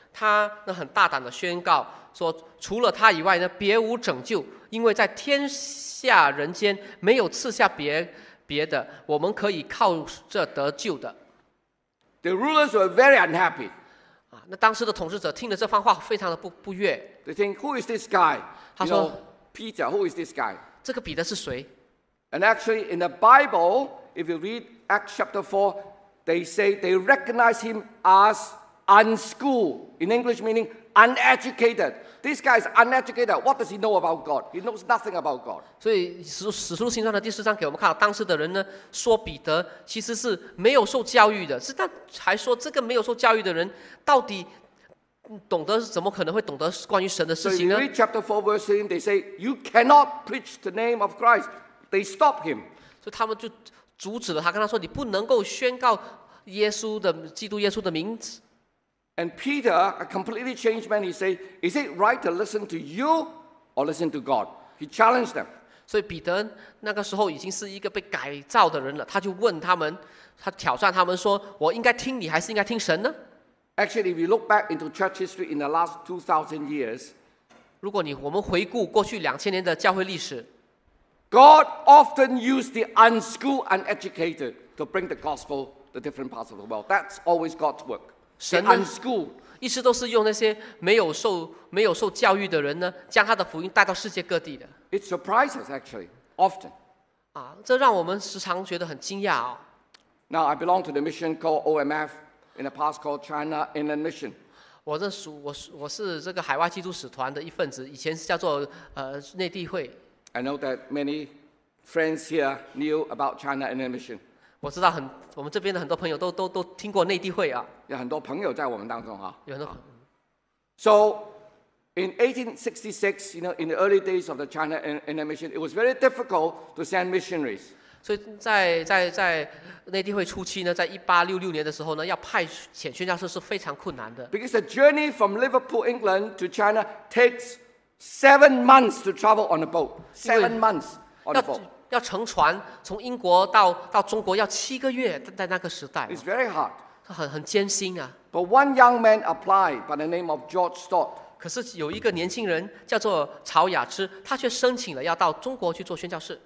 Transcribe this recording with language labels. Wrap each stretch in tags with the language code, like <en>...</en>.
<zh>他那很大胆的宣告说，除了他以外呢，别无拯救，因为在天下人间没有赐下别的，我们可以靠着得救的。</zh> <en>The rulers were very unhappy.</en> <zh>那当时的统治者听了这番话，非常的不悦。</zh> <en>They think, who is this guy?</en> <zh>他说</zh> <en>，Peter, who is this guy?</en> <zh>这个彼得是谁</zh> <en>？And actually, in the Bible, if you read Acts chapter 4, they say they recognize him as. Unschooled, in English meaning uneducated. This guy is uneducated. What does he know about God? He knows nothing about God.</en> <zh>所以使徒行传的第四章给我们看到，当时的人呢说彼得其实是没有受教育的，是他还说这个没有受教育的人到底懂得怎么可能会懂得关于神的事情呢</zh> <en>？So in chapter 4 verse 13, they say you cannot preach the name of Christ. They stop him.</en> <zh>所以他们就阻止了他，跟他说你不能够宣告耶稣的基督耶稣的名字。</zh> <en>And Peter, a completely changed man, he said, "Is it right to listen to you or listen to God?" He challenged them.</en> <zh>所以彼得那个时候已经是一个被改造的人了。他就问他们，他挑战他们说：“我应该听你还是应该听神呢？”</zh> <en>Actually, if you look back into church history in the last 2,000 years,</en> <zh>如果我们回顾过去2000年的教会历史</zh> <en>，God often used the unschooled, uneducated to bring the gospel to different parts of the world. That's always God's work.</en> <zh>神一直都是用那些没有受教育的人呢，将他的福音带到世界各地的。</zh> <en>It surprises actually often.</en> <zh>啊，这让我们时常觉得很惊讶哦。</zh> <en>Now I belong to the mission called OMF in the past called China Inland Mission.</en> <zh>我是这个海外基督使团的一份子，以前是叫做内地会。</zh> <en>I know that many friends here knew about China Inland Mission.</en> <zh>我知道我们这边的很多朋友都听过内地会啊，有很多朋友在我们当中啊。有很多朋友。</zh> <en>So, in 1866, you know, in the early days of the China Inland Mission, it was very difficult to send missionaries.</en> <zh>所以在内地会初期呢，在1866年的时候呢，要派遣宣教士是非常困难的。</zh> <en>Because the journey from Liverpool, England, to China takes 7 months to travel on a boat. 7 months on a boat.</en> <zh>要乘船从英国 到中国要7个月，在那个时代</zh> <en>It's very hard.</en> <zh>很艰辛啊。</zh> <en>But one young man applied by the name of George Stott.</en> <zh>可是有一个年轻人叫做曹雅芝，他却申请了要到中国去做宣教士。</zh>